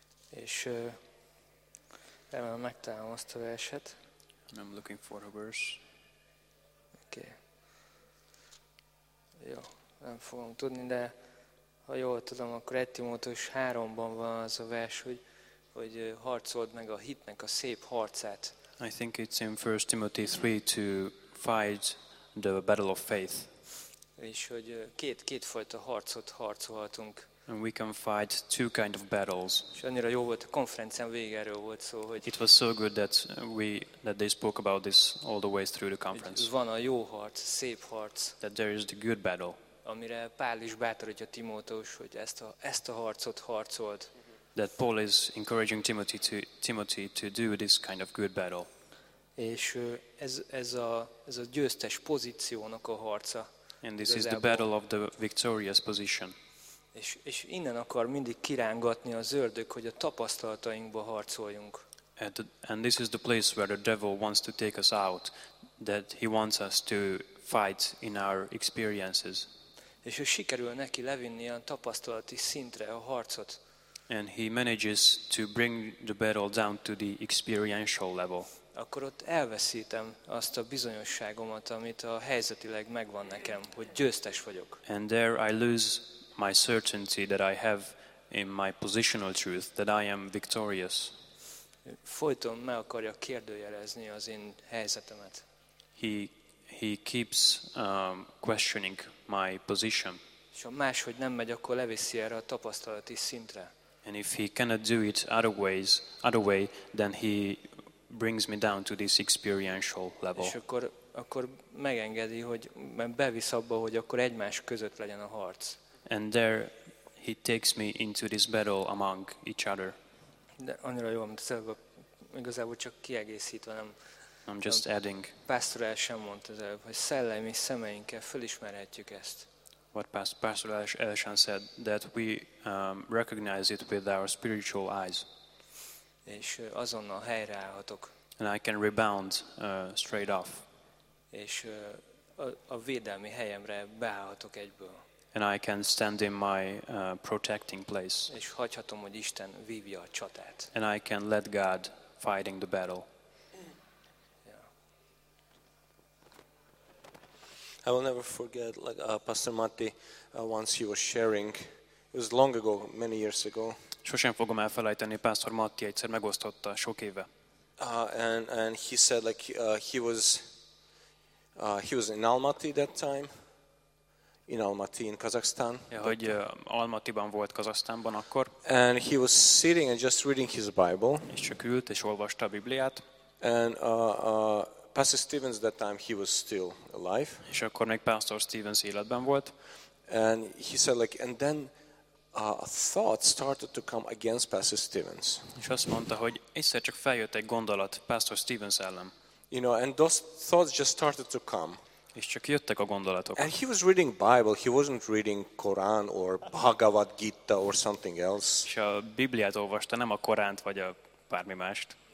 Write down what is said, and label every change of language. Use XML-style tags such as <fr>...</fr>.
<hu>És megtalálom azt a verset.</hu> <en>And I'm looking for a verse. Okay.</en> <hu>Jó, nem fogom tudni, de ha jól tudom, akkor 1 Timótos 3-ban van az a vers, hogy harcold meg a hitnek a szép harcát.</hu> <en>I think it's in 1 Timothy 3 to fight the battle of faith.</en> <hu>És hogy kétfajta harcot harcolhatunk.</hu> <en>And we can fight two kind of battles.</en> <hu>És annyira jó volt, a konferencián végéről volt szó, hogy</hu> <en>it was so good that they spoke about this all the way through the conference.</en> <hu>Van a jó harc, szép harc.</hu> <en>That there is the good battle.</en> <hu>Amire Pál is bátorítja Timótos, hogy ezt a harcot harcold.</hu> <en>That Paul is encouraging Timothy to do this kind of good battle.</en> <hu>És ez a győztes pozíciónak a harca.</hu> <en>And this is the battle of the victorious position.</en> <hu>És innen akar mindig kirángatni az ördög, hogy a tapasztalatainkba harcoljunk.</hu> <en>And this is the place where the devil wants to take us out, that he wants us to fight in our experiences.</en> <hu>És ő sikerül neki levinni a tapasztalati szintre a harcot.</hu> <en>And he manages to bring the battle down to the experiential level.</en> <hu>Akkor ott elveszítem azt a bizonyosságomat, amit a helyzetileg megvan nekem, hogy győztes vagyok.</hu> <en>And there I lose my certainty that I have in my positional truth that I am victorious.</en> <hu>Folyton meg akarja kérdőjelezni az én helyzetemet.</hu> <en>He keeps questioning my position.</en> <hu>És ha máshogy nem megy, akkor leviszi erre a tapasztalati szintre.</hu> <en>And if he cannot do it other way, then he brings me down to this experiential level.</en> <hu>És akkor megengedi, hogy bevisz abba, hogy akkor egymás között legyen a harc.</hu> <en>And there he takes me into this battle among each other.</en> <hu>De annyira jó, mint szóval igazából csak kiegészítve, nem.</hu> <en>I'm just adding.</en> <hu>Pastor El sem mondta az előbb, hogy szellemi szemeinkkel fölismerhetjük ezt.</hu> <en>What Pastor El sem said, that we recognize it with our spiritual eyes.</en> <hu>És azonnal helyreállhatok.</hu> <en>And I can rebound straight off.</en> <hu>És a védelmi helyemre beállhatok egyből.</hu> <en>And I can stand in my protecting place.</en> <hu>És hagyhatom, hogy Isten vívja a csatát.</hu> <en>And I can let God fighting the battle. I will never forget like Pastor Matti once he was sharing. It was long ago, many years ago.</en> <hu>Sosem fogom elfelejteni, Pastor Matti egyszer megosztotta sok éve.</hu> <en>And he said like he was in Almaty that time. In Almaty in Kazakhstan.</en> <hu>Ja, hogy Almatiban volt Kazasztánban akkor.</hu> <en>And he was sitting and just reading his Bible.</en> <hu>És csak ült és olvasta a Bibliát.</hu> <en>And Pastor Stevens that time he was still alive.</en> <hu>És akkor még Pastor Stevens életben volt.</hu> <en>And he said like and then a thought started to come against Pastor Stevens.</en> <hu>És azt mondta, hogy egyszer csak feljött egy gondolat Pastor Stevens ellen.</hu> <en>You know, and those thoughts just started to come.</en> <hu>És csak jöttek a gondolatok.</hu> <en>And he was reading Bible, he wasn't reading Quran or Bhagavad Gita or something else.</en> <hu>És a Bibliát olvasta, nem a Koránt vagy a bármi mást.</hu>